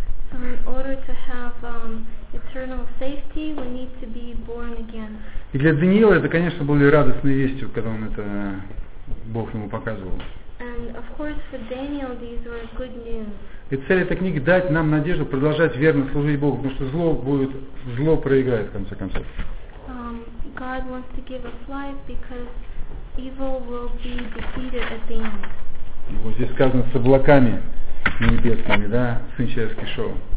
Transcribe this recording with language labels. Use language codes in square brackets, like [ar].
[en] So in order to have eternal safety, we need to be born again. [ru] И для Даниила это, конечно, было радостной вестью, когда он это Бог ему показывал. [en] And of course for Daniel these were good news. [ru] И цель этой книги дать нам надежду продолжать верно служить Богу, потому что зло проиграет в конце концов. [en] God wants to give us life because evil will be defeated at the end. [ru] Вот здесь сказано с облаками небесными, да, Сын Человеческий шел.